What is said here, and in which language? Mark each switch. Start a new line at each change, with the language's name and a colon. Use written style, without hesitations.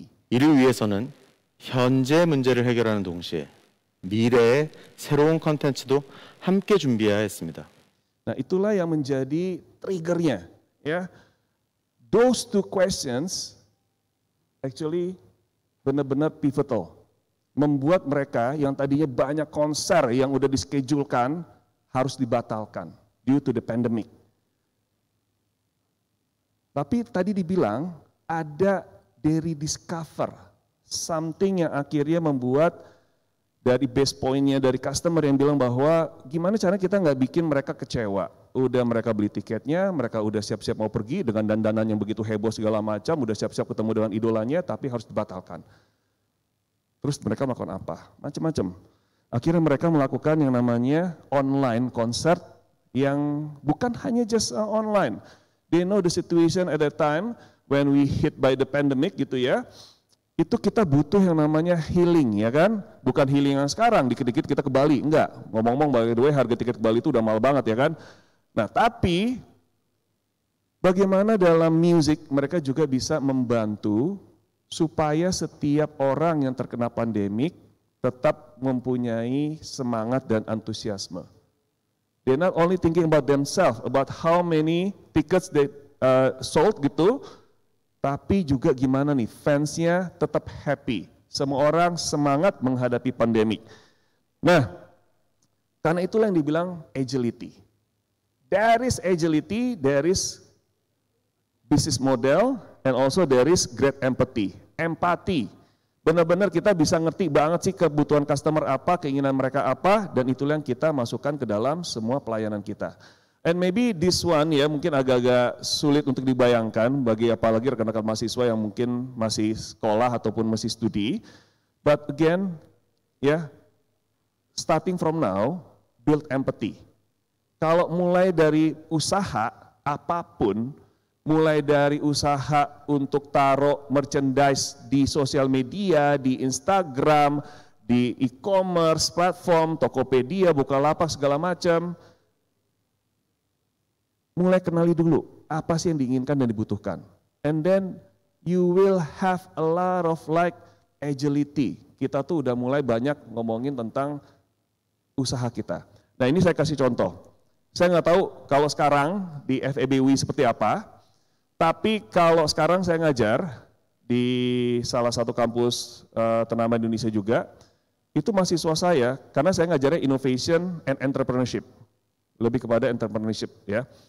Korean: 이를 위해서는 현재 문제를 해결하는 동시에 미래의 새로운 컨텐츠도 함께 준비해야 했습니다.
Indonesian: Nah, itulah yang menjadi triggernya, ya.
English: Those two questions actually
Indonesian: benar-benar
English: pivotal.
Indonesian: Membuat mereka yang tadinya banyak konser yang udah diskedulkan harus dibatalkan
English: due to the pandemic.
Indonesian: Tapi tadi dibilang ada dari
English: discover something
Indonesian: yang akhirnya membuat dari base point-nya dari customer yang bilang bahwa gimana cara kita nggak bikin mereka kecewa. Udah mereka beli tiketnya, mereka udah siap-siap mau pergi dengan dandanan yang begitu heboh segala macam, udah siap-siap ketemu dengan idolanya tapi harus dibatalkan. Terus mereka melakukan apa? Macam-macam. Akhirnya mereka melakukan yang namanya online concert yang bukan hanya
English: just online. They know the situation at that time when we hit by the pandemic
Indonesian: gitu ya. Itu kita butuh yang namanya healing, ya kan? Bukan healing yang sekarang, dikit-dikit kita ke Bali. Enggak, ngomong-ngomong
English: by the way
Indonesian: harga tiket ke Bali itu udah mahal banget, ya kan? Nah, tapi bagaimana dalam music mereka juga bisa membantu supaya setiap orang yang terkena pandemik tetap mempunyai semangat dan antusiasme.
English: They're not only thinking about themselves, about how many tickets they sold gitu,
Indonesian: tapi juga gimana nih fansnya tetap happy, semua orang semangat menghadapi pandemi. Nah, karena itulah yang dibilang agility.
English: There is agility, there is business model, and also there is great empathy.
Indonesian: Empathy, benar-benar kita bisa ngerti banget sih kebutuhan customer apa, keinginan mereka apa, dan itulah yang kita masukkan ke dalam semua pelayanan kita.
English: And maybe this one
Indonesian: ya mungkin agak-agak sulit untuk dibayangkan bagi apalagi rekan-rekan mahasiswa yang mungkin masih sekolah ataupun masih studi.
English: But again, ya, starting from now, build empathy.
Indonesian: Kalau mulai dari usaha apapun, mulai dari usaha untuk taruh merchandise di sosial media, di Instagram, di e-commerce platform, Tokopedia, Bukalapak segala macam. Mulai kenali dulu apa sih yang diinginkan dan dibutuhkan.
English: And then you will have a lot of like agility.
Indonesian: Kita tuh udah mulai banyak ngomongin tentang usaha kita. Nah ini saya kasih contoh. Saya nggak tahu kalau sekarang di FEBUI seperti apa, tapi kalau sekarang saya ngajar di salah satu kampus ternama Indonesia juga, itu mahasiswa saya, karena saya ngajarnya
English: innovation and entrepreneurship,
Indonesian: lebih kepada entrepreneurship ya.